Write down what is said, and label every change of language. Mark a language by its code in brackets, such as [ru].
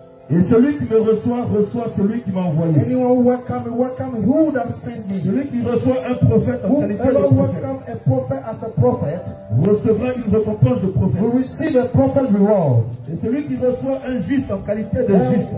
[fr] Et celui qui me reçoit reçoit celui qui m'a envoyé. [en] Anyone who welcomes me welcomes who that sent me. [fr] Celui qui reçoit un prophète en qualité de prophète. [en] Whoever welcomes a prophet as a prophet [fr] recevra une récompense de prophète. [en] Will receive a prophet reward. [fr] Et celui qui reçoit un juste en qualité de juste.